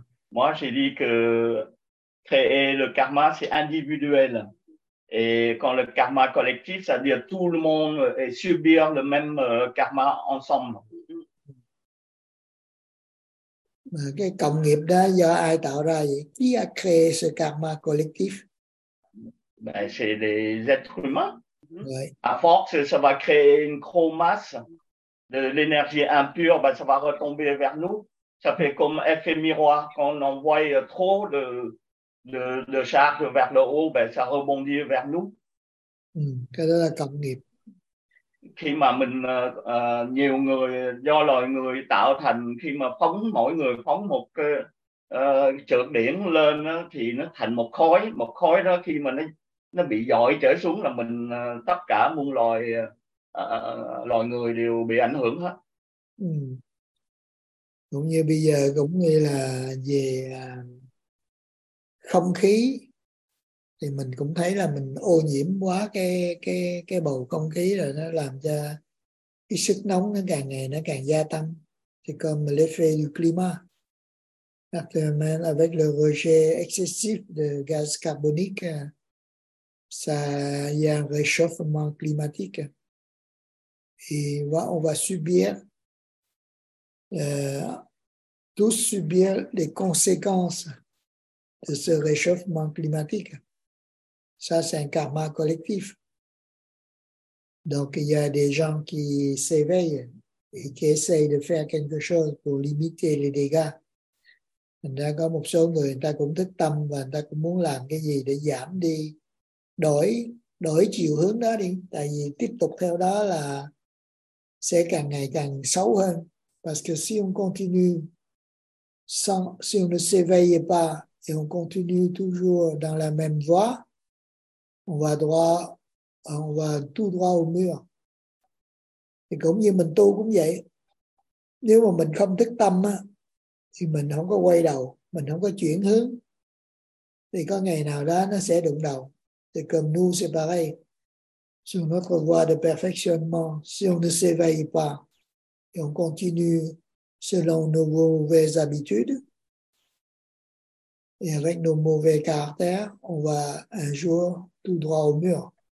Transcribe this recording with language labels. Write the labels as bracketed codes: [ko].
[fr] Moi j'ai dit que créer le karma c'est individuel. Et quand le karma collectif, ça veut dire tout le monde est subir le même karma ensemble. [vi] Cái cộng nghiệp đó do ai tạo ra vậy? [fr] Qui a créé ce karma collectif? Ben, c'est des êtres humains. Ouais. À force, ça va créer une grosse masse de l'énergie impure, ben, ça va retomber vers nous. Ça fait comme effet miroir quand on envoie trop de charge vers le haut, ben ça rebondit vers nous. [vi] Cái đó là cộng nghiệp. Khi mà mình nhiều người do loài người tạo thành, khi mà phóng mỗi người phóng một cái trượt điển lên thì nó thành một khối, đó khi mà nó bị dội trở xuống là mình tất cả muôn loài loài người đều bị ảnh hưởng hết. Cũng như bây giờ cũng như là về không khí thì mình cũng thấy là mình ô nhiễm quá cái bầu không khí rồi, nó làm cho cái sức nóng nó càng ngày nó càng gia tăng. [fr] C'est comme l'effet du climat. Actuellement, avec le rejet excessif de gaz carbonique, ça y a un réchauffement climatique. Et on va subir, tous subir les conséquences de ce réchauffement climatique. Ça, c'est un karma collectif. Donc, il y a des gens qui s'éveillent et qui essayent de faire quelque chose pour limiter les dégâts. Il y a [vi] có một số người, người ta cũng thức tâm và người ta cũng muốn làm cái gì để giảm đi, đổi chiều hướng đó đi. Tại vì tiếp tục theo đó là sẽ càng ngày càng xấu hơn. [fr] Parce que si on continue sans, si on ne s'éveille pas et on continue toujours dans la même voie, on va tout droit au mur. [vi] Thì cũng như mình tu cũng vậy. Nếu mà mình không thức tâm á, thì mình không có quay đầu, mình không có chuyển hướng, thì có ngày nào đó nó sẽ đụng đầu. [fr] Thì comme nous, c'est pareil. Sur notre voie de perfectionnement, si on ne s'éveille pas, et on continue selon nos mauvaises habitudes, et avec nos mauvais caractères, on va un jour tout droit au mur.